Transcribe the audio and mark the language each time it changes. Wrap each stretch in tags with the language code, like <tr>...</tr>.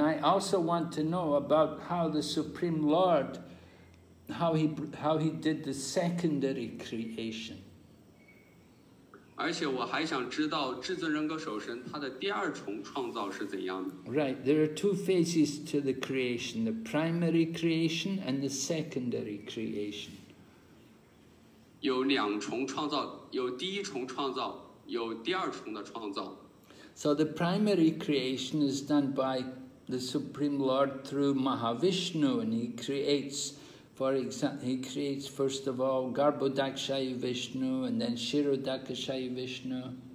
<en>I also want to know about how the Supreme Lord, how he did the secondary creation.</en> <zh>而且我还想知道至尊人格首神他的第二重创造是怎样的。</zh> <en>Right, there are two phases to the creation, the primary creation and the secondary creation.</en> <zh>有两重创造,有第一重创造,有第二重的创造。</zh> <en>So the primary creation is done by the Supreme Lord through Mahavishnu, and he creates, for example, he creates first of all Garbhodakshayi Vishnu and then Shirodakshayi Vishnu.</en>